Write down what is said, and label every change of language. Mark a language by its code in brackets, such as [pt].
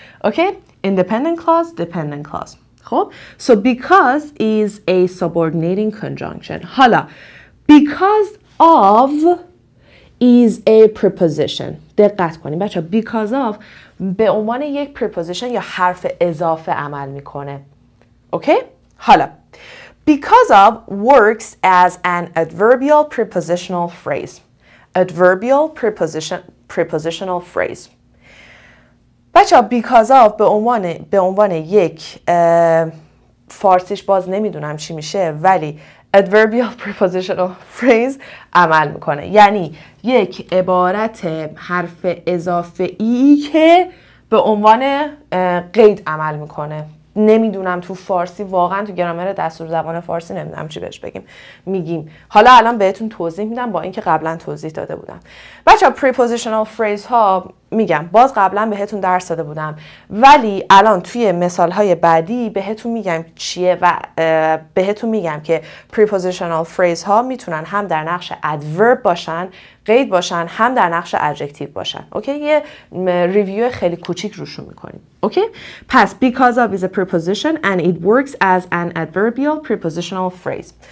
[en] Okay? independent clause, dependent clause. خب، so because is a subordinating conjunction. حالا because of is a preposition. [fa] دقت کنیم بچه ها، because of به عنوان یک preposition یا حرف اضافه عمل میکنه. [en] Okay? حالا because of works as an adverbial prepositional phrase. Adverbial prepositional phrase. [fa] بچه ها because of به عنوان یک فارسیش باز نمیدونم چی میشه ولی adverbial prepositional phrase عمل میکنه، یعنی یک عبارت حرف اضافه ای که به عنوان قید عمل میکنه. نمیدونم تو فارسی واقعا تو گرامر دستور زبان فارسی نمیدونم چی بهش بگیم میگیم. حالا الان بهتون توضیح میدم با اینکه قبلا توضیح داده بودم. بچه ها prepositional phrase ها میگم باز قبلا بهتون درس داده بودم ولی الان توی مثال های بعدی بهتون میگم چیه و بهتون میگم که prepositional phrase ها میتونن هم در نقش adverb باشن، قید باشن، هم در نقش adjective باشن. اوکی؟ یه ریویو خیلی کوچیک روشون میکنیم. [en] Okay? پس because of is a preposition and it works as an adverbial prepositional phrase.